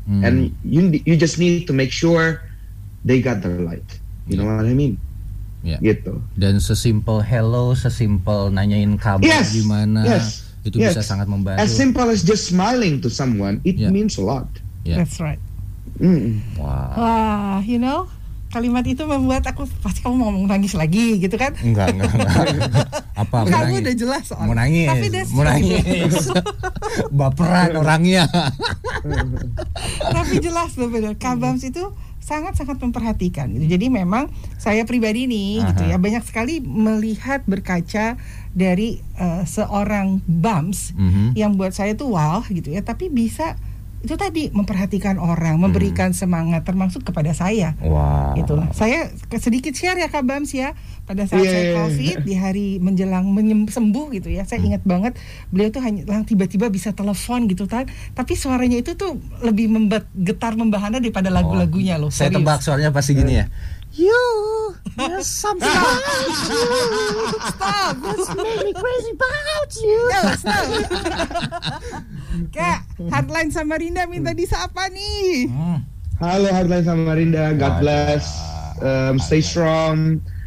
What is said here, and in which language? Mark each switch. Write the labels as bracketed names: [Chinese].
[English] And you just need to make sure they got the light, you know what I mean? [Indonesian] Gitu. Dan sesimpel hello, sesimpel nanyain kabar gimana, itu bisa sangat membantu. [English] As simple as just smiling to someone, it means a lot. That's right. [Indonesian] Wah, [English] you know, [Indonesian] kalimat itu membuat aku, pasti kamu mau nangis lagi gitu kan? Enggak. Apa? Kamu nangis. Udah jelas soalnya. Mau nangis. Tapi that's mau nangis. Baperan orangnya. Tapi jelas loh, benar. Kabams itu sangat-sangat memperhatikan gitu. Jadi memang saya pribadi nih gitu ya, banyak sekali melihat berkaca dari seorang Bams yang buat saya tuh wow gitu ya. Tapi bisa itu tadi memperhatikan orang, memberikan semangat termasuk kepada saya. Gitu. Saya sedikit share ya, Kak Bams ya. Pada saat saya COVID di hari menjelang sembuh gitu ya, saya ingat banget beliau tuh hanya tiba-tiba bisa telepon gitu kan. Tapi suaranya itu tuh lebih getar membahana daripada lagu-lagunya loh. Saya tebak suaranya pasti gini ya. [English] You, there's something about you. Stop, that's made me crazy about you. No, stop. [Indonesian] Kak, Hardline Samarinda minta disapa nih. [English] Halo Hardline Samarinda, God bless, stay strong.